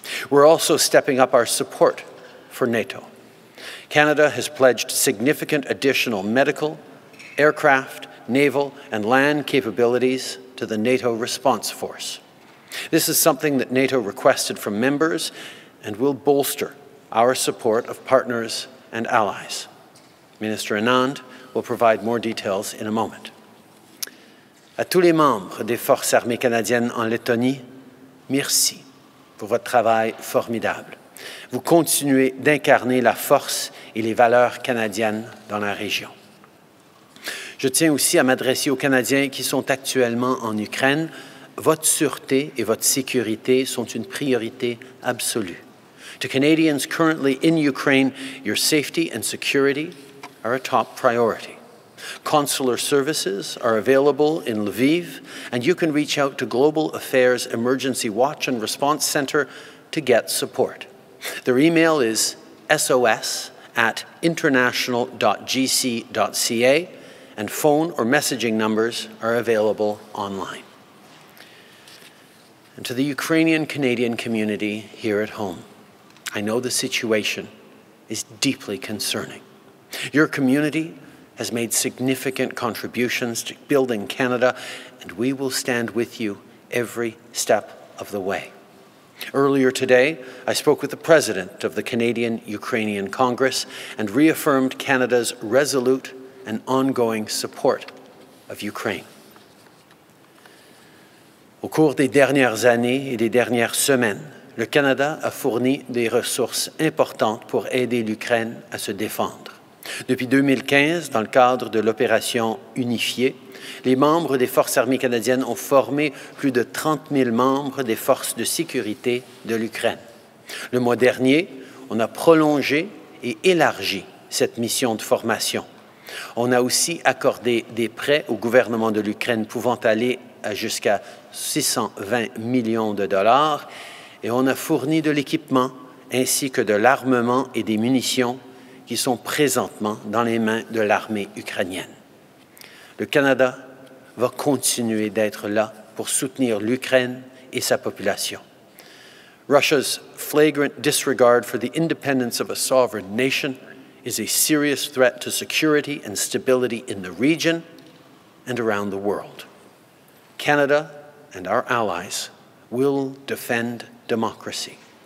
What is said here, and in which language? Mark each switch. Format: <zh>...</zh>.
<en>We're also stepping up our support for NATO. Canada has pledged significant additional medical, aircraft, naval, and land capabilities to the NATO Response Force. This is something that NATO requested from members and will bolster our support of partners and allies. Minister Anand will provide more details in a moment.</en> <fr>À tous les membres des Forces armées canadiennes en Lettonie, merci pour votre travail formidable. Vous continuez d'incarner la force et les valeurs canadiennes dans la région. Je tiens aussi à m'adresser aux Canadiens qui sont actuellement en Ukraine. Votre sûreté et votre sécurité sont une priorité absolue.</fr> <en>To Canadians currently in Ukraine, your safety and security are a top priority. Consular services are available in Lviv, and you can reach out to Global Affairs Emergency Watch and Response Center to get support. Their email is sos@international.gc.ca, and phone or messaging numbers are available online. And to the Ukrainian-Canadian community here at home, I know the situation is deeply concerning. Your community has made significant contributions to building Canada, and we will stand with you every step of the way. Earlier today, I spoke with the President of the Canadian-Ukrainian Congress and reaffirmed Canada's resolute and ongoing support of Ukraine.</en> <fr>Au cours des dernières années et des dernières semaines, le Canada a fourni des ressources importantes pour aider l'Ukraine à se défendre. Depuis 2015, dans le cadre de l'opération Unifiée, les membres des Forces armées canadiennes ont formé plus de 30 000 membres des forces de sécurité de l'Ukraine. Le mois dernier, on a prolongé et élargi cette mission de formation. On a aussi accordé des prêts au gouvernement de l'Ukraine pouvant aller à jusqu'à 620 millions de dollars et on a fourni de l'équipement ainsi que de l'armement et des munitions qui sont présentement dans les mains de l'armée ukrainienne. Le Canada va continuer d'être là pour soutenir l'Ukraine et sa population.</fr> <en>Russia's flagrant disregard for the independence of a sovereign nation is a serious threat to security and stability in the region and around the world. Canada and our allies will defend democracy.</en>